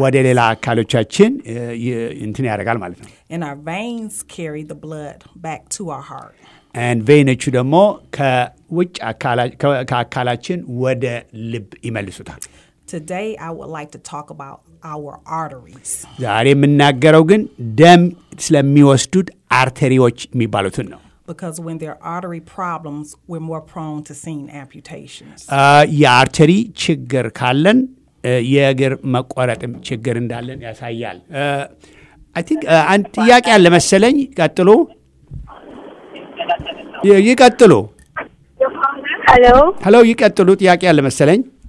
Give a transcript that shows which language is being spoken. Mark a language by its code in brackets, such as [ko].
[am] ወደ ሌላ አካሎቻችን እንትን ያደርጋል ማለት ነው. [en] And our veins carry the blood back to our heart. And veins [am] ደግሞ ከውጭ አካላችን ወደ ልብ ይመልሱታል. [en] Today I would like to talk about our arteries. [am] ዛሬ የምናገረው ግን ደም ስለሚወስዱት አርተሪዎች የሚባሉት ነው. [en] Because when there are artery problems, we're more prone to seeing amputations. [am] የአርተሪ ችግር ካለን የእግር መቆረጥም ችግር እንዳለን ያሳያል. [en] I think [am] አንቲያቅ ያለ መሰለኝ ቀጥሎ ይቀጥሉ. [en] Hello? [am] Hello, ይቀጥሉ ጥያቄ ያለ መሰለኝ.